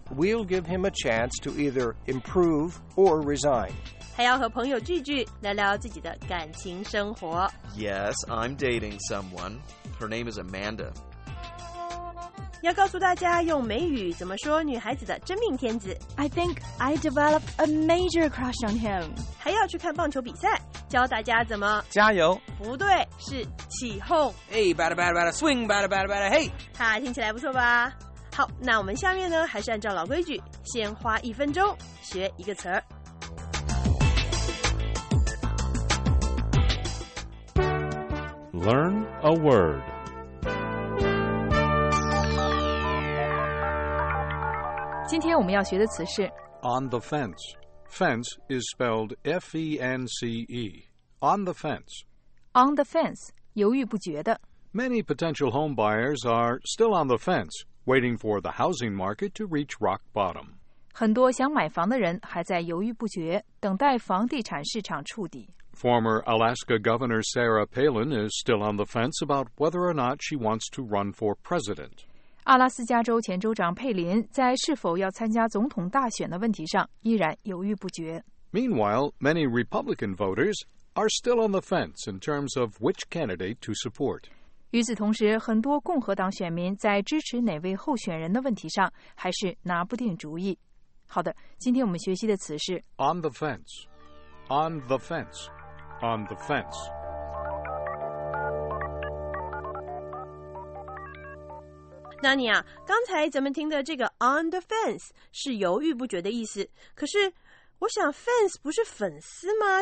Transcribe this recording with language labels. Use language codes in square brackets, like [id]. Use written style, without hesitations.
[en] We'll give him a chance to either improve or resign. [zh] 还要和朋友聚聚，聊聊自己的感情生活。 [en] Yes, I'm dating someone. Her name is Amanda. [zh] 要告诉大家用美语怎么说女孩子的真命天子。 [en] I think I developed a major crush on him. [zh] 还要去看棒球比赛。教大家怎么加油？不对，是起哄。 [en] Hey, bada bada bada, swing, bada bada bada, hey. [zh] 哈，听起来不错吧？好，那我们下面呢，还是按照老规矩，先花一分钟学一个词儿。 [en] Learn a word. Today we're going to learn the word on the fence. Fence is spelled F-E-N-C-E. On the fence. [zh] On the fence, 犹豫不决的。 [en] Many potential home buyers are still on the fence, waiting for the housing market to reach rock bottom. [zh] 很多想买房的人还在犹豫不决，等待房地产市场触底。 [en] Former Alaska Governor Sarah Palin is still on the fence about whether or not she wants to run for president. [zh] 阿拉斯加州前州长佩林在是否要参加总统大选的问题上依然犹豫不决。 [en] Meanwhile, many Republican voters... are still on the fence in terms of which candidate to support. [zh] 与此同时，很多共和党选民在支持哪位候选人的问题上还是拿不定主意。好的，今天我们学习的词是 [en] on the fence, on the fence, on the fence. [zh] 那你啊，刚才咱们听的这个 on the fence 是犹豫不决的意思，可是我想 fence 不是粉丝吗？